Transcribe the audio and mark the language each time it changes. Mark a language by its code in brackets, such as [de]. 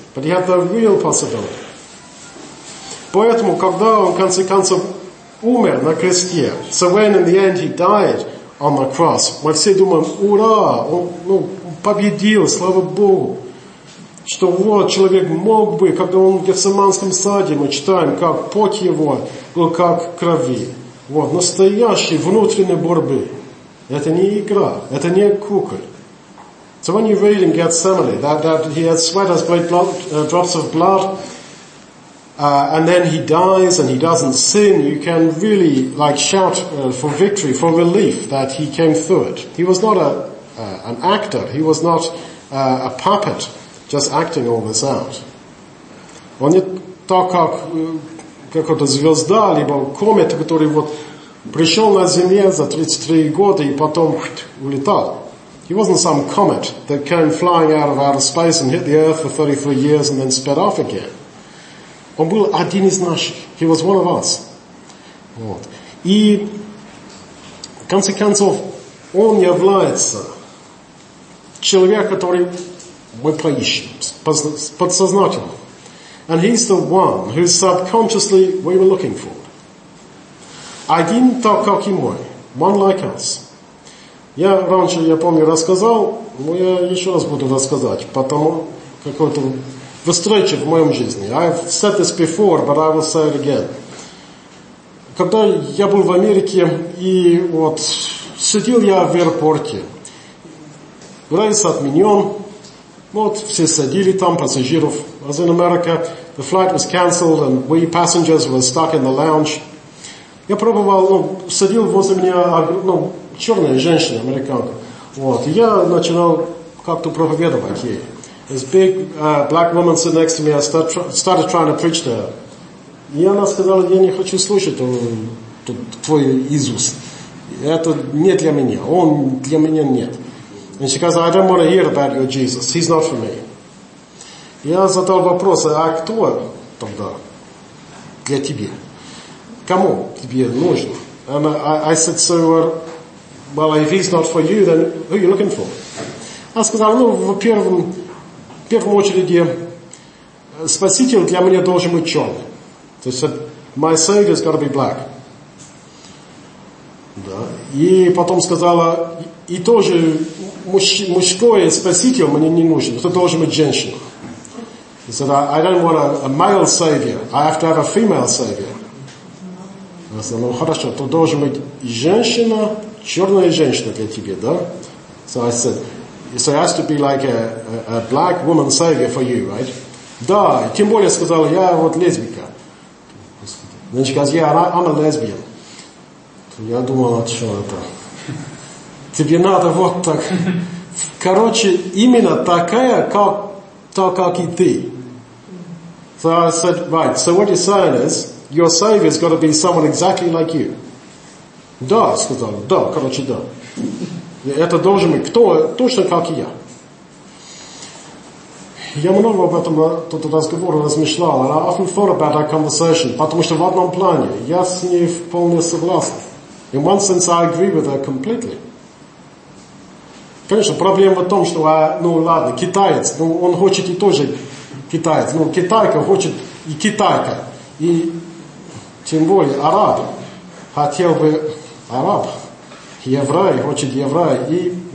[en] But he had the real possibility. [ru] Поэтому, когда он, в конце концов, умер на кресте, [en] so when in the end he died on the cross, [ru] мы все думаем, ура, он победил, слава Богу. Что вот человек мог бы, когда он в Гефсиманском саде, мы читаем, как пот его был как крови. Вот, настоящие внутренние борьбы. Это не игра, это не куколь. [en] So when you read in Gethsemane that he had sweat as great drops of blood, and then he dies and he doesn't sin, you can really like shout for victory, for relief that he came through it. He was not an actor, he was not a puppet. Just acting all this out. [ru] Он не так, как какая-то звезда, либо комета, который вот пришел на Земле за 33 года и потом улетал. [en] He wasn't some comet that came flying out of outer space and hit the Earth for 33 years and then sped off again. [ru] Он был один из наших. [en] He was one of us. [ru] Вот. И в конце концов, он является человеком, который мы поищем подсознательно. [en] And he's the one who subconsciously we were looking for. [ru] Один так, как и мой. [en] One like us. [ru] Я раньше, я помню, рассказал, но я еще раз буду рассказать, потому какой-то встреча в моем жизни. [en] I've said this before, but I will say it again. [ru] Когда я был в Америке, и вот сидел я в аэропорте. Рейс отменен. Вот, все садили там, пассажиров. [en] As in America, the flight was cancelled and we passengers were stuck in the lounge. [ru] Я пробовал, садил возле меня, черная женщина, американка. Вот, я начинал как-то проповедовать ей. [en] This big black woman sitting next to me, I started trying to preach to her. [ru] И она сказала, я не хочу слушать твой Иисус. Это не для меня, он для меня нет. [en] And she goes, I don't want to hear about your Jesus. He's not for me. [ru] Я задал вопрос, а кто тогда? для тебя? Кому тебе нужно? [en] And I said, so, well, if he's not for you, then who are you looking for? [ru] Она сказала, ну, в первом очереди, спаситель для меня должен быть черный. [en] So she said, my savior's got to be black. [ru] Да. И потом сказала, и тоже мужской спаситель мне не нужен, это должен быть женщина. [en] He said, I don't want a male savior, I have to have a female savior. [ru] Она сказала, ну хорошо, то должен быть женщина, черная женщина для тебя, да? [en] So I said, so it has to be like a black woman savior for you, right? [ru] Да, тем более сказала, я вот лесбика. [en] Then she goes, yeah, I'm a lesbian. [ru] Я думал, а что это? Тебе надо вот так. Короче, именно такая, как то, как и ты. [en] So I said, right, so what you're saying is, your savior's got to be someone exactly like you. [ru] Да, сказал, да, короче, да. Это должен быть кто, точно как и я. Я много об этом тот разговор размышлял, [en] and I often thought about that conversation, [ru] потому что в одном плане я с ней вполне согласен. [en] In one sense, I agree with her completely. [ru] Конечно, проблема в том, что, ну ладно, китаец, ну он хочет и тоже китаец, ну китайка хочет и китайка, и тем более араб хотел бы араб, еврей хочет еврей, и...